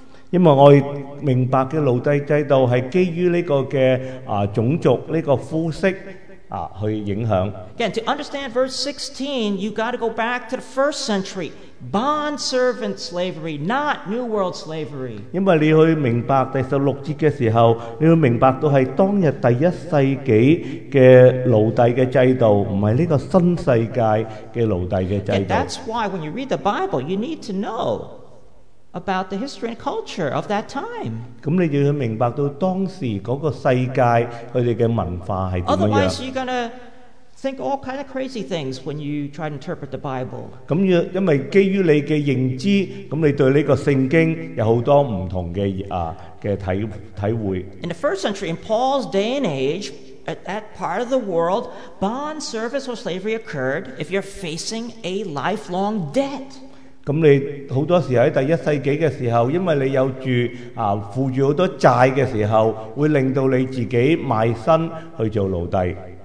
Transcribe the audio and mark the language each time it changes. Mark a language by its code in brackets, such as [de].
[yue] 因為我明白嘅奴隸制度係基於呢個嘅種族呢個膚色。去影響。 [en] Again, to understand verse 16, you got to go back to the first century, bond servant slavery, not New World slavery. [yue] 因為你去明白第十六節嘅時候，你會明白到係當日第一世紀嘅奴隸嘅制度，唔係呢個新世界嘅奴隸嘅制度。 [en] And that's why when you read the Bible, you need to know about the history and culture of that time. [yue] 咁你要明白到當時嗰個世界佢哋嘅文化係點樣。 [en] Otherwise, you're gonna think all kind of crazy things when you try to interpret the Bible. [yue] 咁因為基於你嘅認知，咁你對呢個聖經有好多唔同嘅體會。 [en] In the first century, in Paul's day and age, at that part of the world, bond service or slavery occurred if you're facing a lifelong debt. [yue] 咁你好多時候喺第一世紀嘅時候，因為你有住負住好多債嘅時候，會令到你自己賣身去做奴隸。